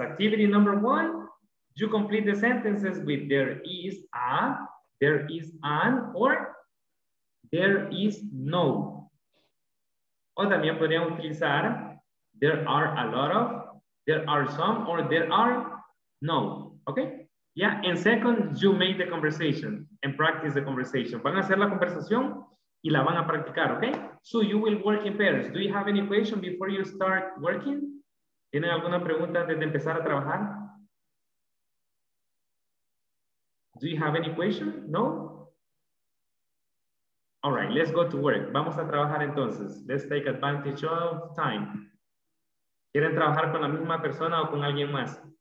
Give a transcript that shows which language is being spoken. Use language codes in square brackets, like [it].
[en] Activity number one, you complete the sentences with there is a, there is an, or there is no. O también podrían utilizar there are a lot of, there are some, or there are no. Okay? Yeah, and second, you make the conversation and practice the conversation. [es] Van a hacer la conversación y la van a practicar, okay? [en] So you will work in pairs. Do you have any question before you start working? [es] ¿Tienen alguna pregunta antes de empezar a trabajar? [en] Do you have any question? No? All right, let's go to work. Vamos a trabajar entonces. Let's take advantage of time. [es] ¿Quieren trabajar con la misma persona o con alguien más?